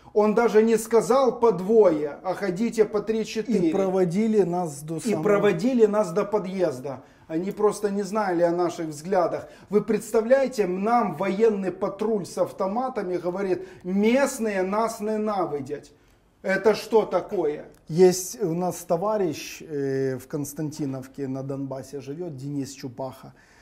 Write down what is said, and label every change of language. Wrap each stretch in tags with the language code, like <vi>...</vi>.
<ru>Он даже не сказал по двоє, а ходите по 3-4.</ru> <uk>І проводили нас до самого. І проводили нас до під'їзду.</uk> <ru>Они просто не знали о наших взглядах. Вы представляете, нам военный патруль с автоматами говорит, местные нас ненавидят. Это что такое? Есть у нас товарищ в Константиновке на Донбассе живет, Денис Чупаха.</ru>